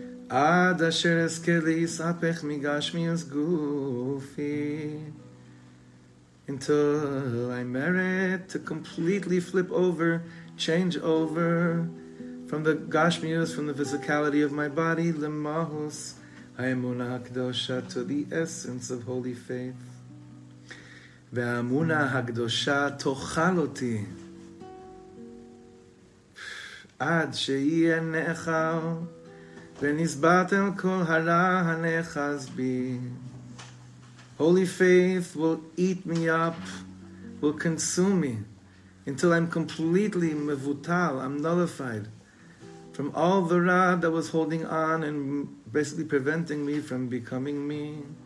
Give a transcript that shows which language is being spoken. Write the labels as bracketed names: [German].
[Hebrew] Ad asher eskeli sapech migashmi gufi. [English] Until I merit to completely flip over, change over, from the gashmius, from the physicality of my body, [Hebrew] lemahus האמונה הקדושה [English] to the essence of holy faith. [Hebrew] והאמונה הקדושה תאכל אותי עד שיהיה נאכל ונסבטם כל הרע הנאחז בי. [English] Holy faith will eat me up, will consume me until I'm completely mevutal, I'm nullified from all the ra that was holding on and basically preventing me from becoming me.